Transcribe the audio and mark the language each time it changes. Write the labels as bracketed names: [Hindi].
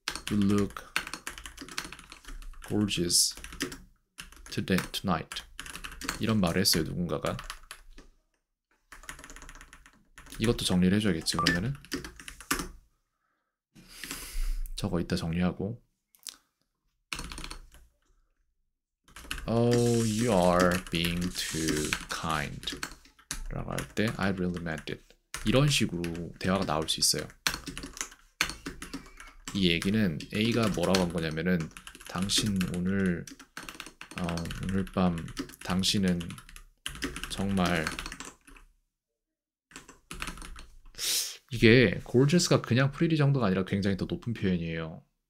[English] You look gorgeous today, tonight. [Korean] 이런 말을 했어요, 누군가가. 이것도 정리를 해줘야겠지, 그러면은. 저거 이따 정리하고. [English] Oh, you are being too kind. [Korean] 라고 할 때, [English] I really meant it. [Korean] 이런 식으로 대화가 나올 수 있어요. 이 얘기는 A가 뭐라고 한 거냐면은 당신 오늘 밤 당신은 정말 이게 gorgeous가 그냥 pretty 정도가 아니라 굉장히 더 높은 표현이에요.